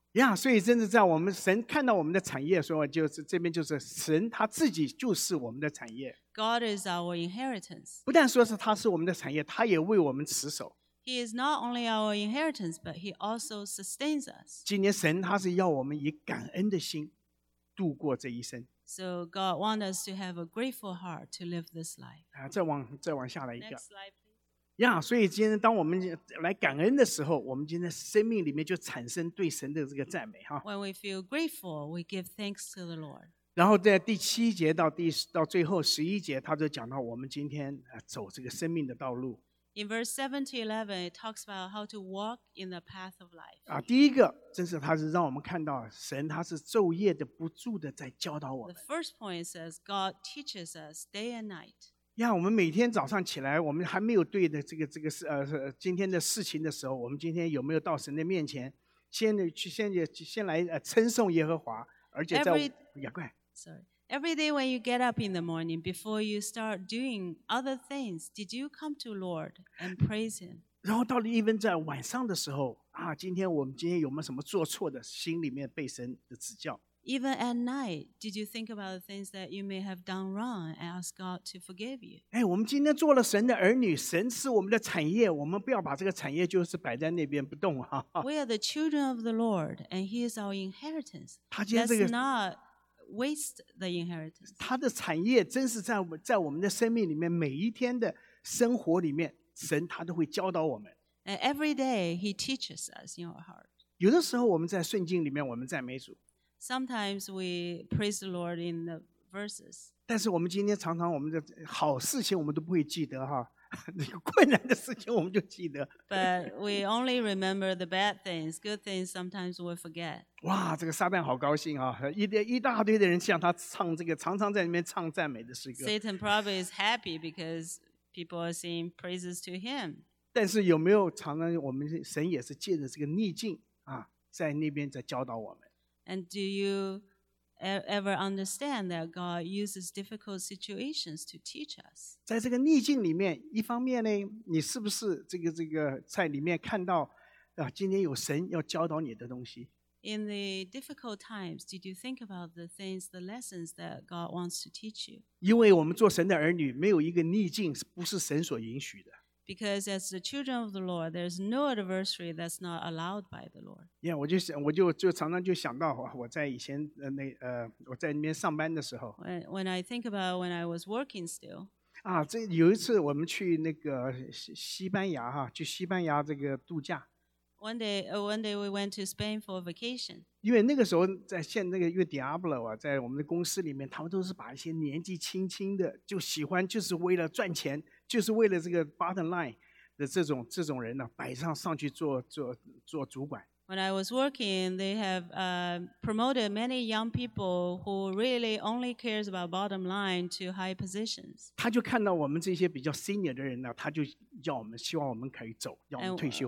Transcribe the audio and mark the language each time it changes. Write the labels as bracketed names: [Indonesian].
[Chinese] Yeah, 所以真的在我们神看到我们的产业，所以就是这边就是神他自己就是我们的产业。 [English] God is our inheritance. [Chinese] 不但说是他是我们的产业，他也为我们持守。 [English] He is not only our inheritance, but he also sustains us. [Chinese] 今天神他是要我们以感恩的心度过这一生。 [English] So God wants us to have a grateful heart to live this life. [Chinese] 啊，再往下来一个。 [English] Next slide, please. [Chinese] Yeah, 所以今天当我们来感恩的时候，我们今天生命里面就产生对神的这个赞美哈。 [English] When we feel grateful, we give thanks to the Lord. [Chinese] 然后在第七节到最后十一节，他就讲到我们今天走这个生命的道路。 [English] In verse 7 to 11, it talks about how to walk in the path of life. [Chinese] 啊，第一个，真是他是让我们看到神，他是昼夜的不住的在教导我们。 [English] The first point says God teaches us day and night. [Chinese] 呀，我们每天早上起来，我们还没有对的这个今天的事情的时候，我们今天有没有到神的面前，先来称颂耶和华，而且在呀，快 [English] ，sorry。 Every day when you get up in the morning, before you start doing other things, did you come to Lord and praise Him? [Chinese] 然后到了 even 在晚上的时候啊，今天我们今天有没有什么做错的，心里面被神的指教。 [English] Even at night, did you think about the things that you may have done wrong and ask God to forgive you? [Chinese] 哎，我们今天做了神的儿女，神是我们的产业，我们不要把这个产业就是摆在那边不动啊。 [English] We are the children of the Lord, and He is our inheritance. [Chinese] 他今天这个 [English] Let's not waste the inheritance. [Chinese] 他的产业真是在我们的生命里面，每一天的生活里面，神他都会教导我们。 [English] And every day, He teaches us in our heart. [Chinese] 有的时候我们在顺境里面，我们赞美主。 [English] Sometimes we praise the Lord in the verses. [Chinese] 但是我们今天常常我们的好事情我们都不会记得哈，那个困难的事情我们就记得。 [English] But we only remember the bad things. Good things sometimes we forget. [Chinese] 哇，这个撒旦好高兴啊！一大堆的人向他唱这个，常常在里面唱赞美的诗歌。 [English] Satan probably is happy because people are singing praises to him. [Chinese] 但是有没有常常我们神也是借着这个逆境啊，在那边在教导我们？ [English] And do you ever understand that God uses difficult situations to teach us? [Chinese] 在这个逆境里面，一方面呢，你是不是这个在里面看到啊，今天有神要教导你的东西 [English] ？In the difficult times, did you think about the things, the lessons that God wants to teach you? [Chinese] 因为我们做神的儿女，没有一个逆境不是神所允许的。 [English] Because as the children of the Lord, there's no adversary that's not allowed by the Lord. [Chinese] Yeah, 我就常常就想到我在以前那我在那边上班的时候。 [English] When I think about when I was working still. [Chinese] 啊，这有一次我们去那个西班牙哈，去西班牙这个度假。 [English] One day we went to Spain for a vacation. [Chinese] 因为那个时候在现那个因为 Diablo 啊，在我们的公司里面，他们都是把一些年纪轻轻的就喜欢就是为了赚钱。就是为了这个 bottom line 的这种人呢、啊，摆上去做主管。 [English] When I was working, they have promoted many young people who really only cares about bottom line to high positions. [Chinese] 他就看到我们这些比较 senior 的人呢、啊，他就要我们希望我们可以走，要我们退休。